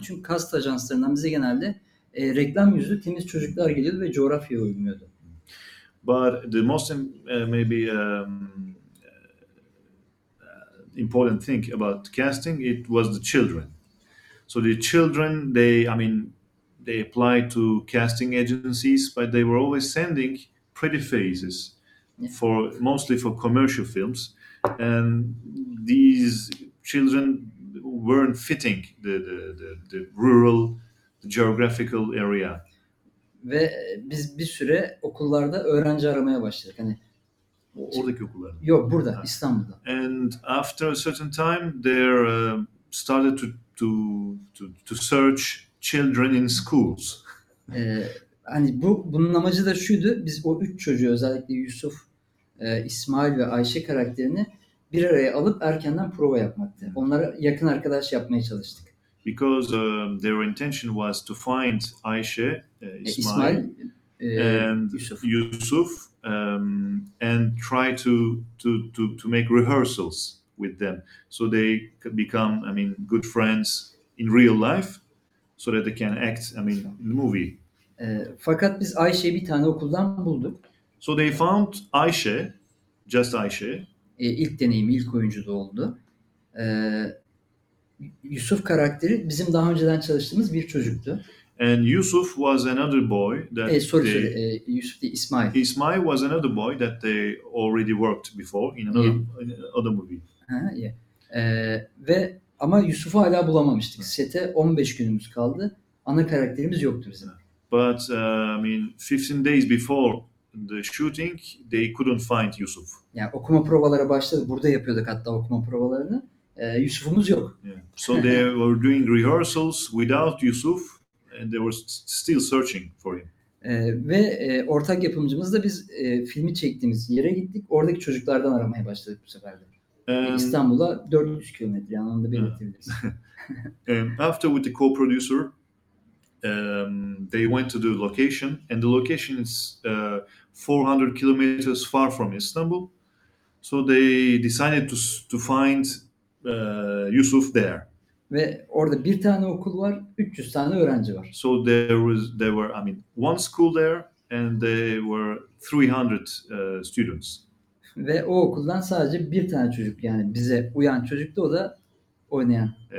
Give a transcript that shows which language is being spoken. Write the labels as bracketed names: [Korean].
[Turkish] Çünkü kast ajanslarından bize genelde reklam yüzlü temiz çocuklar geliyordu ve coğrafyaya uymuyordu. [English] But the most maybe important thing about casting, it was the children. So the children, they applied to casting agencies, but they were always sending pretty faces for mostly for commercial films. And these children weren't fitting the rural, the geographical area. [Turkish] Ve biz bir süre okullarda öğrenci aramaya başladık. Hani oradaki okullarda. Yok, burada, [English] yeah. [Turkish] İstanbul'da. [English] And after a certain time, they're started to search children in schools. [Turkish] Hani bunun amacı da şuydu. Biz o 3 çocuğu, özellikle Yusuf, İsmail ve Ayşe karakterini bir araya alıp erkenden prova yapmaktı. Onlara yakın arkadaş yapmaya çalıştık. [English] Because their intention was to find Ayşe, İsmail and Yusuf and try to make rehearsals with them, so they become, I mean, good friends in real life, so that they can act, I mean, in the movie. [Turkish] Fakat biz Ayşe'yi bir tane okuldan bulduk. [English] So they found Ayşe, just Ayşe. [Turkish] İlk deneyim, ilk oyuncu da oldu. Yusuf karakteri bizim daha önceden çalıştığımız bir çocuktu. [English] And Yusuf was another boy that [Turkish] Yusuf değil, İsmail. [English] İsmail was another boy that they already worked before in another movie. [Turkish] Ha, [English] yeah. [Turkish] Ama Yusuf'u hala bulamamıştık. Sete 15 günümüz kaldı. Ana karakterimiz yoktu bizim. [English] But I mean, 15 days before the shooting, they couldn't find Yusuf. [Turkish] Yani okuma provalara başladı. Burada yapıyorduk hatta okuma provalarını. Yusuf'umuz yok. [English] Yeah. So they were doing rehearsals without Yusuf, and they were still searching for him. [Turkish] Ortak yapımcımızla biz filmi çektiğimiz yere gittik. Oradaki çocuklardan aramaya başladık bu sefer de. İstanbul'a 400 kilometre yanında belirtildi. [English] After with the co-producer, they went to the location, and the location is 400 kilometers far from Istanbul. So they decided to find Yusuf there. [Turkish] Ve orada bir tane okul var, 300 tane öğrenci var. [English] So there were I mean one school there, and they were 300 students. [Turkish] Ve o okuldan sadece bir tane çocuk, yani bize uyan çocuk da, o da oynayan.